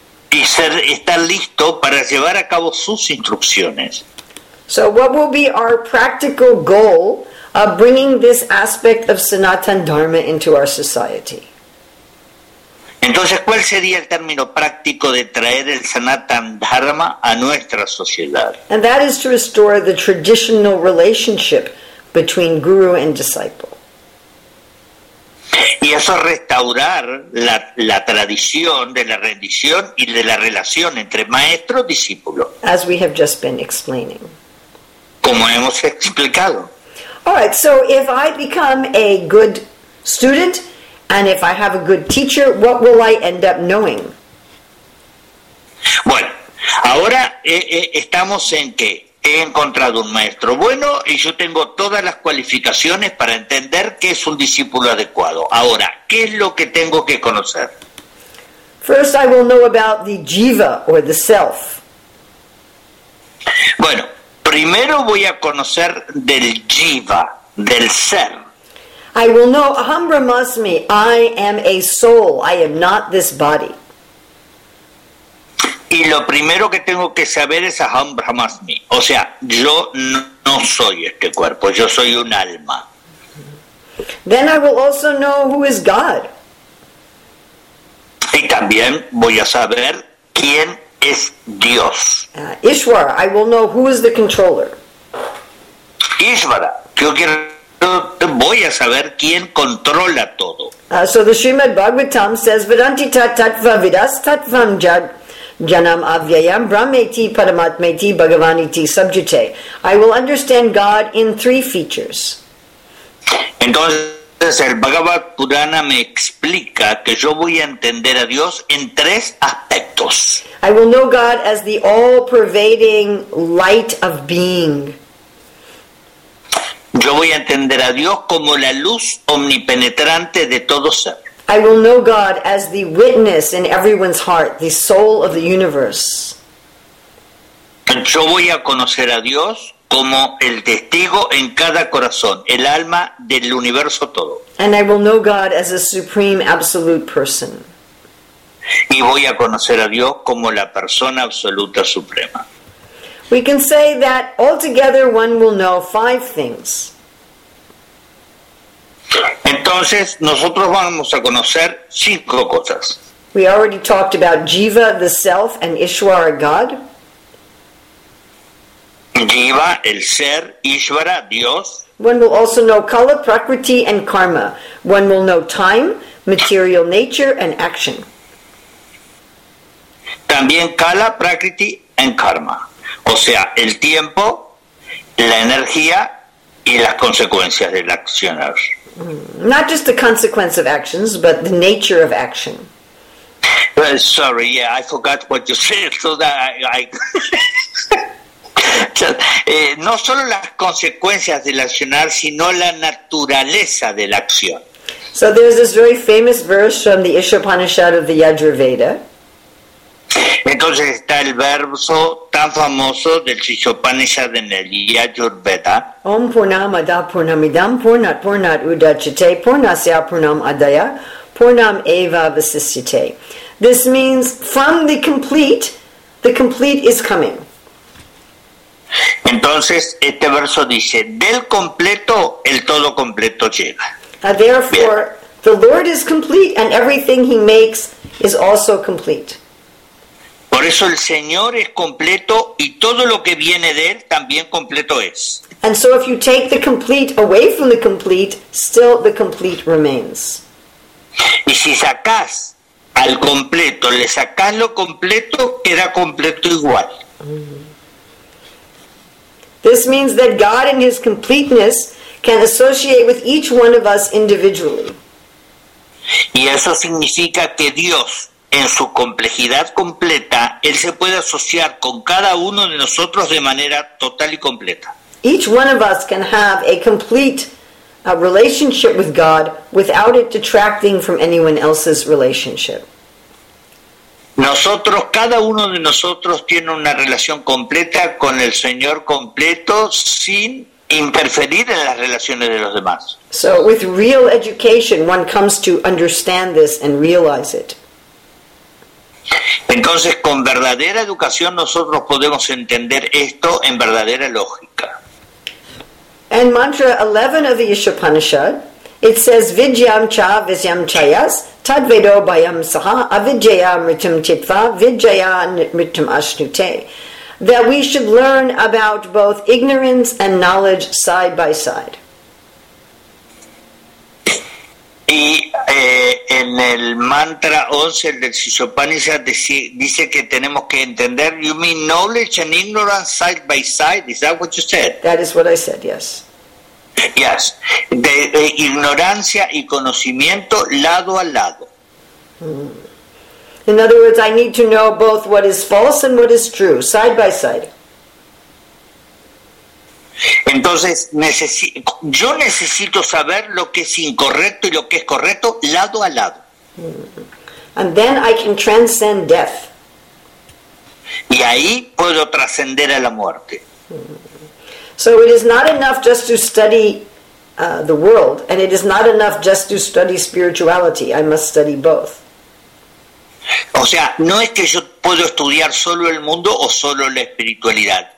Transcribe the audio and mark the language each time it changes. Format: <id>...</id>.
<es>Y ser, estar listo para llevar a cabo sus instrucciones.</es> <en>So what will be our practical goal of bringing this aspect of Sanatan Dharma into our society?</en> <es>Entonces, ¿cuál sería el término práctico de traer el Sanatan Dharma a nuestra sociedad?</es> <en>And that is to restore the traditional relationship between guru and disciple.</en> <es>Y eso es restaurar la tradición de la rendición y de la relación entre maestro y discípulo.</es> <en>As we have just been explaining.</en> <es>Como hemos explicado.</es> <en>All right, so if I become a good student and if I have a good teacher, what will I end up knowing?</en> <es>Bueno, ahora estamos en que he encontrado un maestro bueno y yo tengo todas las cualificaciones para entender que es un discípulo adecuado. Ahora, ¿qué es lo que tengo que conocer?</es> <en>First, I will know about the jiva or the self.</en> <es>Bueno, primero voy a conocer del jiva, del ser.</es> <en>I will know, aham brahmasmi, I am a soul, I am not this body.</en> <es>Y lo primero que tengo que saber es aham brahmasmi. O sea, yo no soy este cuerpo, yo soy un alma.</es> <en>Then I will also know who is God.</en> <es>Y también voy a saber quién es Dios.</es> <en>Ishvara, I will know who is the controller.</en> <es>Ishvara, yo quiero, voy a saber quién controla todo.</es> <en>So the Srimad Bhagavatam says,</en> <sa>Vedanti tat tatva vidas tatvam jag. Janam avyayam brahmeti paramatmeti bhagavaniti subjute.</sa> <en>I will understand God in three features.</en> <es>Entonces el Bhagavad Purana me explica que yo voy a entender a Dios en tres aspectos.</es> <en>I will know God as the all-pervading light of being.</en> <es>Yo voy a entender a Dios como la luz omnipenetrante de todo ser.</es> <en>I will know God as the witness in everyone's heart, the soul of the universe.</en> <es>Yo voy a conocer a Dios como el testigo en cada corazón, el alma del universo todo.</es> <en>And I will know God as a supreme absolute person.</en> <es>Y voy a conocer a Dios como la persona absoluta suprema.</es> <en>We can say that altogether one will know five things.</en> <es>Entonces, nosotros vamos a conocer cinco cosas.</es> <en>We already talked about Jiva, the self, and Ishvara, God.</en> <es>Jiva, el ser, Ishvara, Dios.</es> <en>One will also know Kala, Prakriti, and Karma. One will know time, material nature, and action.</en> <es>También Kala, Prakriti,</es> <en>and</en> <es>Karma. O sea, el tiempo, la energía, y las consecuencias del accionar.</es> <en>Not just the consequence of actions, but the nature of action. Sorry, yeah, I forgot what you said. So that I</en> <es>no solo las consecuencias del accionar, sino la naturaleza de la acción.</es> <en>So there's this very famous verse from the Ishopanishad of the Yajurveda.</en> <es>Entonces está el verso tan famoso del Ishopanishad en el Yajurveda.</es> <sa>Om Purnamada Purnamidam Purnat Purnat Udachite Purnasya Purnam Adaya Purnam Eva Vasisite.</sa> <en>This means from the complete is coming.</en> <es>Entonces este verso dice, del completo, el todo completo llega.</es> <en>Therefore,</en> <es>bien.</es> <en>The Lord is complete and everything he makes is also complete.</en> <es>Por eso el Señor es completo y todo lo que viene de él también completo es.</es> <en>And so if you take the complete away from the complete, still the complete remains.</en> <es>Y si sacas al completo, le sacas lo completo, queda completo igual.</es> <en>This means that God in his completeness can associate with each one of us individually.</en> <es>Y eso significa que Dios en su complejidad completa, él se puede asociar con cada uno de nosotros de manera total y completa.</es> <en>Each one of us can have a complete relationship with God without it detracting from anyone else's relationship.</en> <es>Nosotros, cada uno de nosotros tiene una relación completa con el Señor completo sin interferir en las relaciones de los demás.</es> <en>So with real education, one comes to understand this and realize it.</en> <es>Entonces, con verdadera educación, nosotros podemos entender esto en verdadera lógica.</es> <en>And mantra 11 of the Ishopanishad, it says,</en> <sa>Vidyam cha visyam chayas, tadvedo bayam saha, avidyaya mritam titva, vidyaya mritam ashnute.</sa> <en>That we should learn about both ignorance and knowledge side by side.</en> <es>Y en el mantra 11 del Sisopanishad dice que tenemos que entender.</es> <en>You mean knowledge and ignorance side by side? Is that what you said? That is what I said, yes. Yes.</en> <es>De ignorancia y conocimiento lado a lado.</es> <en>In other words, I need to know both what is false and what is true, side by side.</en> <es>Entonces, yo necesito saber lo que es incorrecto y lo que es correcto lado a lado.</es> <en>And then I can transcend death.</en> <es>Y ahí puedo trascender a la muerte.</es> <en>So it is not enough just to study the world, and it is not enough just to study spirituality. I must study both.</en> <es>O sea, no es que yo puedo estudiar solo el mundo o solo la espiritualidad.</es>